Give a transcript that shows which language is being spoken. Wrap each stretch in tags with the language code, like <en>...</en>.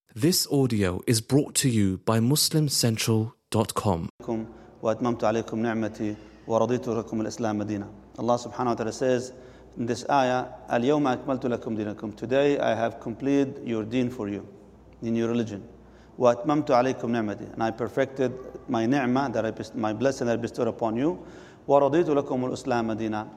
<en>This audio is brought to you by MuslimCentral.com.</en> <ar>وأتممت عليكم نعمتي ورضيت لكم الإسلام دينا.</ar> <en>Allah subhanahu wa ta'ala says in this ayah,</en> <ar>اليوم أكملت لكم دينكم.</ar> <en>Today I have completed your deen for you, in your religion.</en> <ar>وأتممت عليكم نعمتي.</ar> <en>And I perfected my ni'mah, my blessing that I bestowed upon you.</en> <ar>ورضيت لكم الإسلام دينا.</ar>